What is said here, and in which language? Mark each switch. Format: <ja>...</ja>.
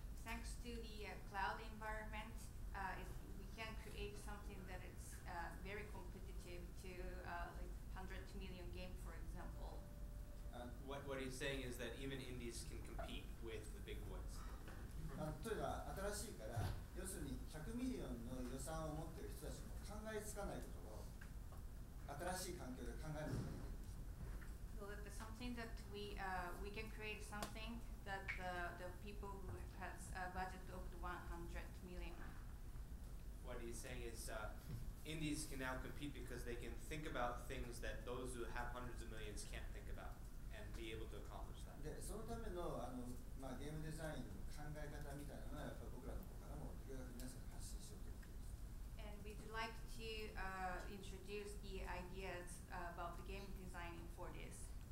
<en>Thanks to the cloud environment, we can create something that is very competitive to like 100 million game, for example. What he's saying is that even indies can compete with the big ones.</en> <ja>例えば新しいから要するに100ミリオンの予算を持っている人たちも考えつかないことを新しい環境で考えるのができる。</ja> <en>So that something that we can create something that the people who has a budget of 100 million. What he's saying is indies can now compete because they can think about things that those who have hundreds of millions can't think about and be able to accomplish that.</en> <ja>でそのためのまあ、ゲームデザインの考え方みたいなのはやっぱり僕らの方からもできるだけ皆さんに発信しようと思います。</ja> <en>And we'd like to introduce the ideas about the game designing for this.</en>